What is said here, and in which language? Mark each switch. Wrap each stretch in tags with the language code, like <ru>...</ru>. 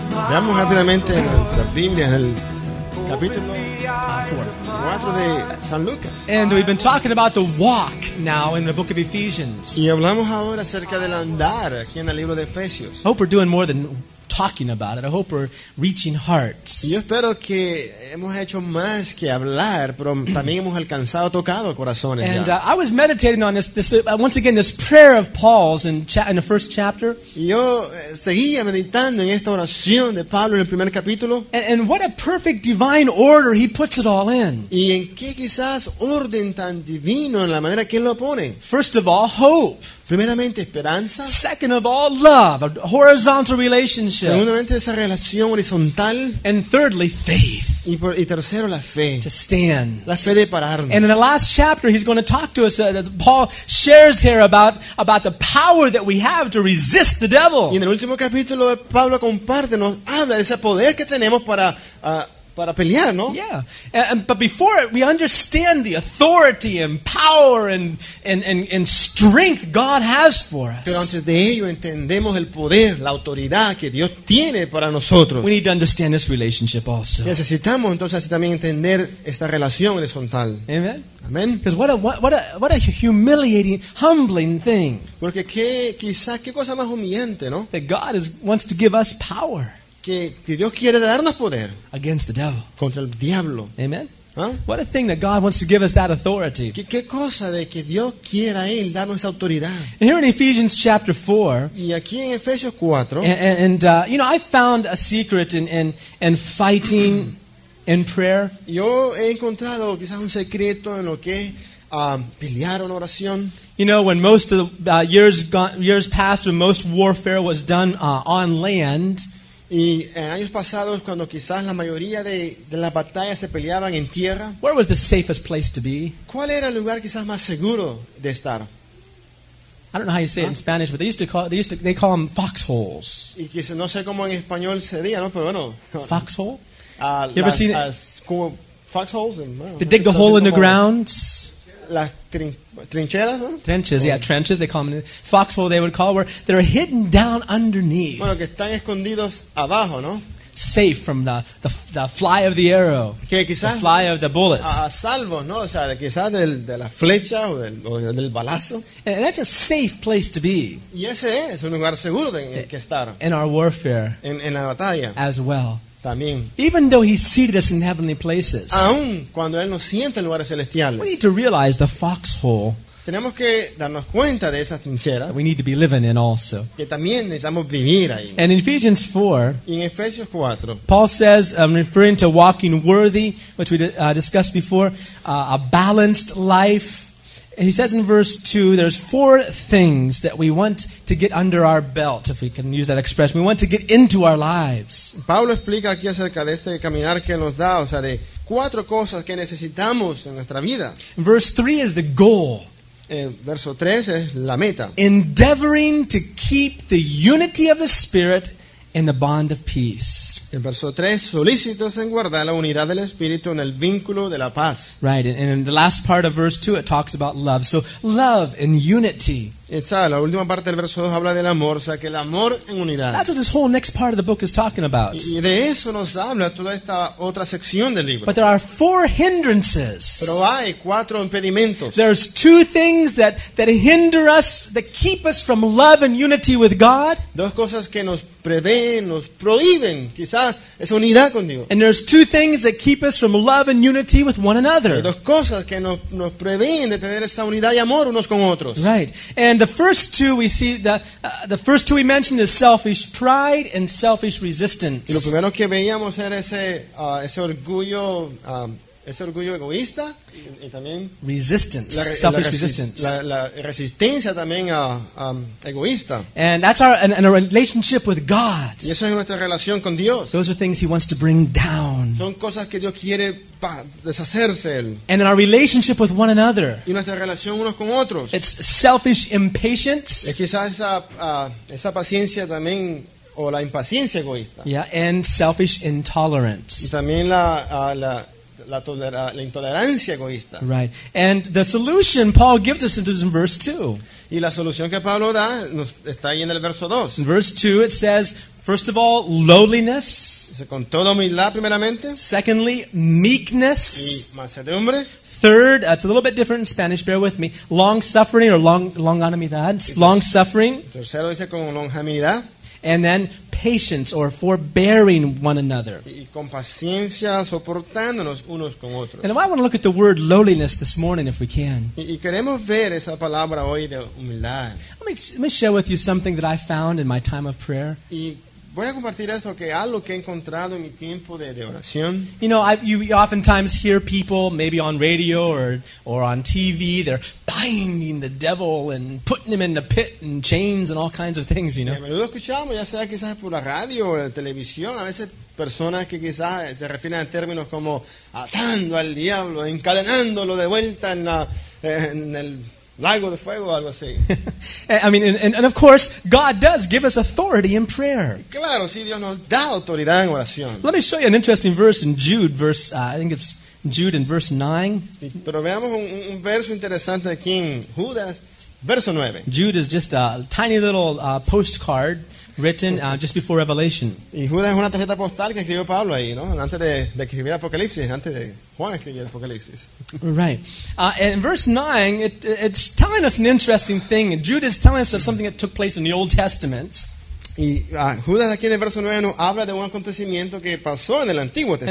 <es>Veamos rápidamente en nuestra Biblia en el capítulo 4 de San Lucas.</es> <en>And we've been talking about the walk now in the book of Ephesians.</en> <es>Y hablamos ahora acerca del andar aquí en el libro de Efesios.</es> <en>Hope we're doing more than talking about it. I hope we're reaching hearts.</en> <es>Yo espero que hemos hecho más que hablar, pero también hemos alcanzado, tocado corazones.</es> <en>And I was meditating on this prayer of Paul's in the first chapter.</en> <es>Yo seguía meditando en esta oración de Pablo en el primer capítulo.</es> <en>And what a perfect divine order he puts it all in.</en> <es>Y en qué quizás orden tan divino en la manera que él lo pone.</es> <en>First of all, hope.</en> <es>Primeramente, esperanza.</es> <en>Second of all, love, a horizontal relationship.</en> <es>Segundamente, esa relación horizontal.</es> <en>And thirdly, faith.</en> <es>Y tercero, la fe.</es> <en>To stand.</en> <es>La fe de pararnos.</es> <en>And in the last chapter, he's going to talk to us. Paul shares here about the power that we have to resist the devil.</en> <es>Y en el último capítulo, Pablo comparte, nos habla de ese poder que tenemos para pelear, ¿no?</es> <en>Yeah, but before we understand the authority and power and strength God has for us.</en> <es>Pero antes de ello entendemos el poder, la autoridad que Dios tiene para nosotros.</es> <en>We need to understand this relationship also.</en> <es>Necesitamos entonces también entender esta relación horizontal.</es> <en>Amen.</en> <es>Amen.</es> <en>Because what a humiliating, humbling thing.</en> <es>Porque qué cosa más humillante, ¿no?</es> <en>That God wants to give us power.</en> <es>Que Dios quiere darnos poder</es> <en>against the devil.</en> <es>Contra el diablo.</es> <en>Amen. ¿Ah? What a thing that God wants to give us that authority.</en> <es>¿Qué cosa de que Dios quiera él darnos esa autoridad?</es> <en>And here in Ephesians chapter 4.</en> <es>Y aquí en Efesios 4.</es> <en>And you know, I found a secret in fighting in prayer.</en> <es>Yo he encontrado quizás un secreto en lo que pelear una oración.</es> <en>You know, when most of the years passed, when most warfare was done on land.</en> <es>Y en años pasados, cuando quizás la mayoría de las batallas se peleaban en tierra,</es> <en>where was the safest place to be?</en> <es>¿Cuál era el lugar quizás más seguro de estar?</es> <en>I don't know how you say it in Spanish, but they call them foxholes.</en> <es>Y quizás no sé cómo en español sería, ¿no? Pero bueno,</es> <en>foxhole. You ever seen</en> <es>como</es> <en>foxholes? They dig the hole in the ground.</en> <es>Las trincheras, ¿no?</es> <en>Trenches, yeah, trenches. They call them foxhole. They would call where they're hidden down underneath.</en> <es>Bueno, que están escondidos abajo, ¿no?</es> <en>Safe from the fly of the arrow.</en> <es>Que quizás</es> <en>the fly of the bullet.</en> <es>A salvo, ¿no? O sea, quizás de la flecha o del balazo.</es> <en>And that's a safe place to be.</en> <es>Y ese es un lugar seguro en el que estar.</es> <en>In our warfare.</en> <es>En la batalla.</es> <en>As well.</en> <es>También.</es> <en>Even though he seated us in heavenly places,</en> <es>aun cuando él nos sienta en lugares celestiales,</es> <en>we need to realize the foxhole.</en> <es>Tenemos que darnos cuenta de esa trinchera</es> <en>that we need to be living in also.</en> <es>Que también necesitamos vivir ahí.</es> <en>And in Ephesians 4,</en> <es>y en Efesios 4,</es> <en>Paul says, I'm referring to walking worthy, which we discussed before, a balanced life. He says in verse 2, there's four things that we want to get under our belt, if we can use that expression. We want to get into our lives.</en> <es>Pablo explica aquí acerca de este caminar que nos da, o sea, de cuatro cosas que necesitamos en nuestra vida.</es> <en>Verse 3 is the goal.</en> <es>Verso 3 es la meta.</es> <en>Endeavoring to keep the unity of the Spirit in the bond of peace.</en> <es>En verso 3, solícitos en guardar la unidad del espíritu en el vínculo de la paz.</es> <en>Right, and in the last part of verse 2 it talks about love. So love and unity.</en> <es>Está la última parte del verso 2 habla del amor, o sea que el amor en unidad.</es> <en>That's what this whole next part of the book is talking about.</en> <es>Y de eso nos habla toda esta otra sección del libro.</es> <en>But there are four hindrances.</en> <es>Pero hay cuatro impedimentos.</es> <en>There's two things that hinder us, that keep us from love and unity with God.</en> <es>Dos cosas que nos prevén, nos prohíben, quizás esa unidad con Dios.</es> <en>And there's two things that keep us from love and unity with one another.</en> <es>Y dos cosas que nos prevén de tener esa unidad y amor unos con otros.</es> <en>Right. And the first two we see the first two we mentioned is selfish pride and selfish resistance.</en> <es>Y lo primero que veíamos era ese orgullo Es orgullo egoísta y también</es> <en>resistance, selfish resistance.</en> <es>La resistencia también a egoísta.</es> <en>And that's our and a relationship with God.</en> <es>Y eso es nuestra relación con Dios.</es> <en>Those are things He wants to bring down.</en> <es>Son cosas que Dios quiere deshacerse.</es> <en>And in our relationship with one another.</en> <es>Y nuestra relación unos con otros.</es> <en>It's selfish impatience.</en> <es>Es quizás esa paciencia también. O la impaciencia egoísta.</es> <en>Yeah, and selfish intolerance.</en> <es>Y también la intolerancia egoísta.</es> <en>Right. And the solution Paul gives us is in verse 2.</en> <es>Y la solución que Pablo da está ahí en el verso 2.</es> <en>In verse 2 it says, first of all, lowliness.</en> <es>Con toda humildad primeramente.</es> <en>Secondly, meekness.</en> <es>Y mansedumbre.</es> <en>Third, it's a little bit different in Spanish, bear with me. Long-suffering or longanimidad. Long-suffering.</en> <es>Tercero dice con longanimidad.</es> <en>And then patience or forbearing one another.</en> <es>Y con paciencia soportándonos unos con otros.</es> <en>And I want to look at the word lowliness this morning if we can.</en> <es>Y queremos ver esa palabra hoy de humildad.</es> <en>Let me share with you something that I found in my time of prayer.</en> <es>Y voy a compartir esto que algo que he encontrado en mi tiempo de oración.</es> <en>You know, you oftentimes hear people maybe on radio or on TV, they're binding the devil and putting him in the pit and chains and all kinds of things, you know.</en> <es>Sí, a menudo escuchamos, ya sea quizás por la radio o la televisión, a veces personas que quizás se refieren a términos como atando al diablo, encadenándolo de vuelta en el lago de fuego, algo así.</es> <en>I mean, and of course, God does give us authority in prayer.</en> <es>Claro, sí, Dios nos da autoridad en oración.</es> <en>Let me show you an interesting verse in Jude, I think it's Jude in verse 9.</en> <es>Sí, pero veamos un verso interesante aquí en Judas, verso 9.</es> <en>Jude is just a tiny little postcard written just before Revelation.</en> <es>Y Judas es una tarjeta postal que escribió Pablo ahí, ¿no? Antes de que escribiera Apocalipsis, antes de Juan escribiera Apocalipsis.</es> <en>Right. And in verse 9, it's telling us an interesting thing. Jude is telling us of something that took place in the Old Testament.</en> <es>Y Judas aquí en el verso 9 nos habla de un acontecimiento que pasó en el Antiguo Testamento.</es>